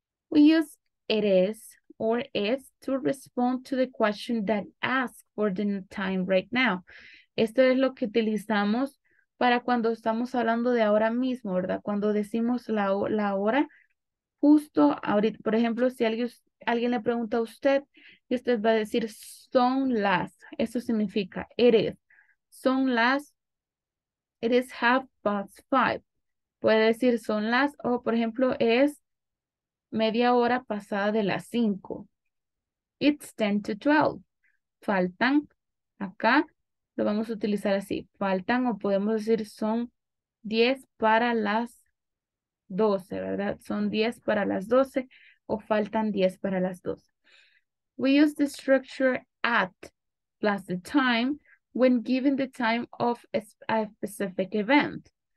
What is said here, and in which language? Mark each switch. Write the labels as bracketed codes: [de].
[en] We use it is or is to respond to the question that asks for the time right now. [es] Esto es lo que utilizamos para cuando estamos hablando de ahora mismo, ¿verdad? Cuando decimos la hora, justo ahorita. Por ejemplo, si alguien le pregunta a usted, y usted va a decir, son las. Eso significa, [en] it is. Son las, it is 5:30. [es] Puede decir, son las, o por ejemplo, es media hora pasada de las 5. [en] It's 10:12. [es] Faltan, acá lo vamos a utilizar así. Faltan, o podemos decir, son 10 para las 12, ¿verdad? Son 10 para las 12, o faltan 10 para las 12. [en] We use the structure at plus the time when given the time of a specific event.